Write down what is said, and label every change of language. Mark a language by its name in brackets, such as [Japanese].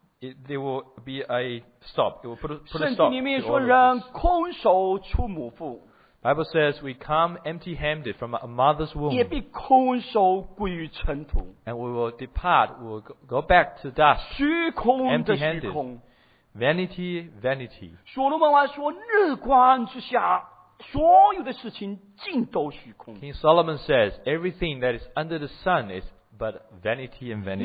[English] there will be a stop, it will put a stop. [Chinese] 圣经里面说人空手出母腹 [English] Bible says we come empty-handed from a mother's womb. [Chinese] 也必空手归于尘土。 [English] And we will depart, we will go back to dust. [Chinese] 虚空的虚空。 [English] Empty-handed. Vanity, vanity. [Chinese] 所罗门王说，日光之下，所有的事情尽都虚空。 [English] King Solomon says, everything that is under the sun is but vanity and vanity.